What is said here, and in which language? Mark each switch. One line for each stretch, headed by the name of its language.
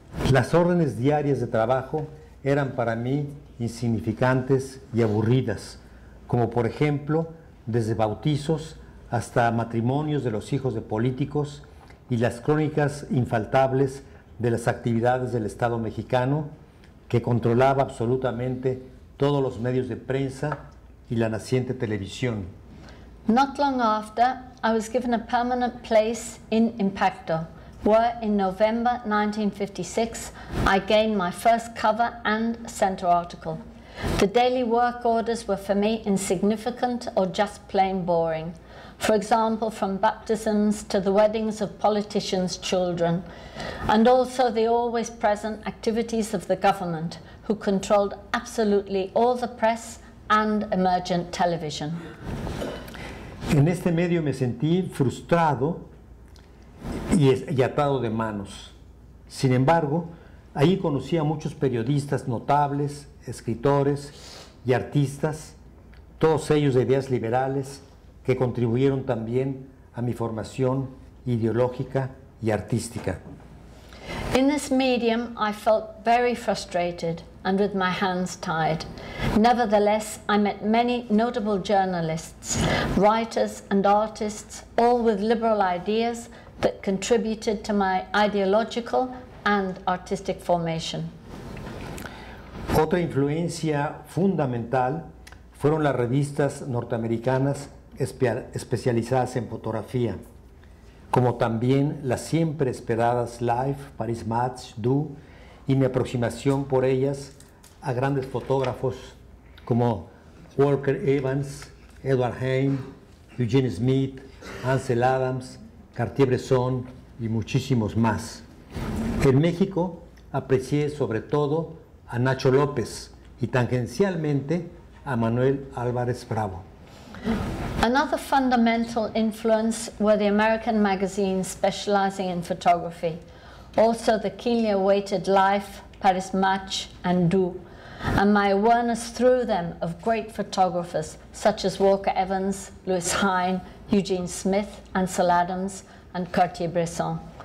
Spanish: Las órdenes diarias de trabajo eran para mí insignificantes y aburridas, como por ejemplo, desde bautizos hasta matrimonios de los hijos de políticos y las crónicas infaltables de las actividades del Estado mexicano, que controlaba absolutamente todos los medios de prensa y la naciente televisión.
English: Not long after, I was given a permanent place in Impacto, where in November 1956, I gained my first cover and center article. The daily work orders were for me insignificant or just plain boring. For example, from baptisms to the weddings of politicians' children, and also the always present activities of the government, who controlled absolutely all the press and emergent television.
Spanish: En este medio me sentí frustrado y atado de manos. Sin embargo, ahí conocí a muchos periodistas notables, escritores y artistas, todos ellos de ideas liberales, que contribuyeron también a mi formación ideológica y artística.
English: In this medium, I felt very frustrated and with my hands tied. Nevertheless, I met many notable journalists, writers and artists, all with liberal ideas that contributed to my ideological and artistic formation.
Spanish: Otra influencia fundamental fueron las revistas norteamericanas especializadas en fotografía, como también las siempre esperadas Life, Paris Match, Do, y mi aproximación por ellas a grandes fotógrafos como Walker Evans, Edward Haim, Eugene Smith, Ansel Adams, Cartier-Bresson y muchísimos más. En México aprecié sobre todo a Nacho López y tangencialmente a Manuel Álvarez Bravo.
English: Another fundamental influence were the American magazines specializing in photography. Also the keenly awaited Life, Paris Match, and Do, and my awareness through them of great photographers such as Walker Evans, Louis Hine, Eugene Smith, Ansel Adams, and Cartier-Bresson.